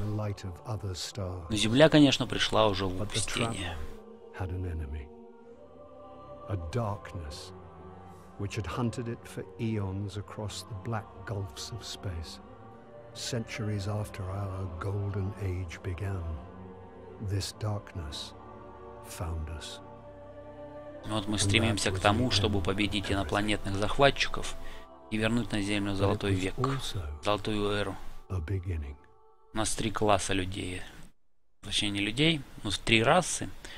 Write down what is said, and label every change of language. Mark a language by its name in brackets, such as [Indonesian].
[Russian] Но Земля, конечно, пришла уже в упустение. [English] A darkness which had hunted it for eons across the black gulfs of space, centuries after our golden age began. This darkness found us. [Russian] Вот мы стремимся к тому, чтобы победить инопланетных захватчиков и вернуть на Землю золотой век, золотую эру. У нас три класса людей. Точнее, не людей, но три расы.